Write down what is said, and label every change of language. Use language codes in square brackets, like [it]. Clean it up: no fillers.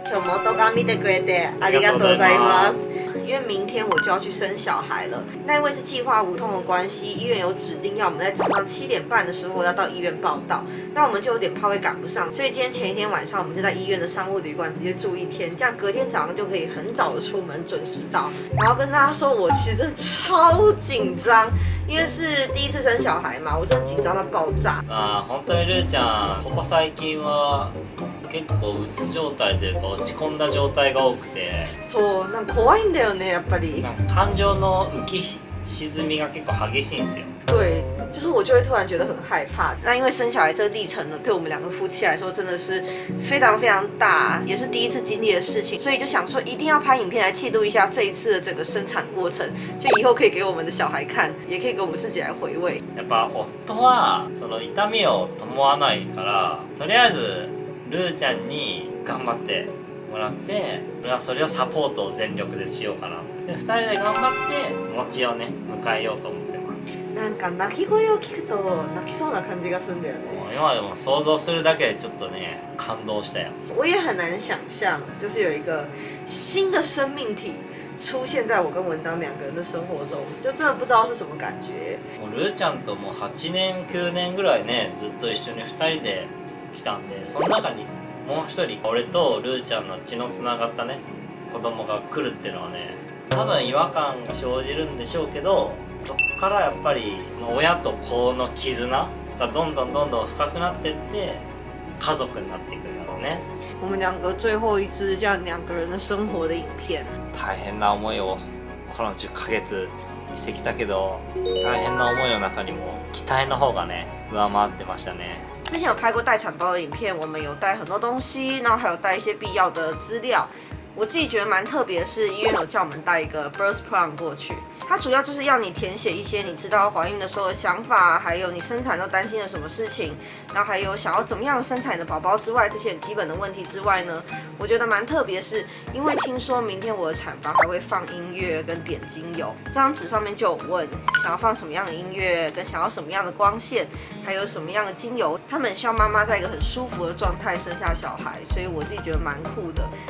[ja] 今日も動画見てくれてありがとうございます。 [zh] 因为明天我就要去生小孩了，那因为是计划无痛的关系，医院有指定要我们在早上七点半的时候要到医院报到，那我们就有点怕会赶不上，所以今天前一天晚上我们就在医院的商务旅馆直接住一天，这样隔天早上就可以很早的出门准时到。然后跟大家说，我其实真的超紧张，因为是第一次生小孩嘛，我真的紧张到爆炸。 [ja] 啊，本当にルーちゃん、ここ最近は結構うつ状態というか落ち込んだ状態が多くて、そう、なんか怖いんだよね、やっぱり。なんか感情の浮き沈みが結構激しいんですよ。 [zh] 对，就是我就会突然觉得很害怕。那因为生小孩这个历程呢，对我们两个夫妻来说真的是非常非常大，也是第一次经历的事情，所以就想说一定要拍影片来记录一下这一次的整个生产过程，就以后可以给我们的小孩看，也可以给我们自己来回味。 [ja] やっぱ夫はその痛みを伴わないから、とりあえずルーちゃんに頑張ってもらって、俺はそれをサポートを全力でしようかな。で、2人で頑張って餅をね迎えようと思ってます。なんか泣き声を聞くと泣きそうな感じがするんだよね。今でも想像するだけでちょっとね感動したよ。 [zh] 我也很难想象，就是有一个新的生命体出现在我跟文当两个人的生活中，就真的不知道是什么感觉。 [ja] もうルーちゃんともう8年9年ぐらいねずっと一緒に2人で。来たんで、その中にもう一人俺とルーちゃんの血のつながったね子供が来るっていうのはね、多分違和感が生じるんでしょうけど、そっからやっぱり親と子の絆がどんどんどんどん深くなってって家族になっていくんだろうね。 [zh] 我们两个最后一支 [ja] じゃあ [zh] 两个人的生活的影片。 [ja] 大変な思いをこの10ヶ月してきたけど、大変な思いの中にも期待の方がね上回ってましたね。 [zh] 之前有拍过待产包的影片，我们有带很多东西，然后还有带一些必要的资料。我自己觉得蛮特别的是，医院有叫我们带一个 birth plan 过去，它主要就是要你填写一些你知道怀孕的时候的想法，还有你生产都担心了什么事情，然后还有想要怎么样生产的宝宝之外，这些基本的问题之外呢，我觉得蛮特别的是，因为听说明天我的产房还会放音乐跟点精油，这张纸上面就有问想要放什么样的音乐，跟想要什么样的光线，还有什么样的精油，他们希望妈妈在一个很舒服的状态生下小孩，所以我自己觉得蛮酷的。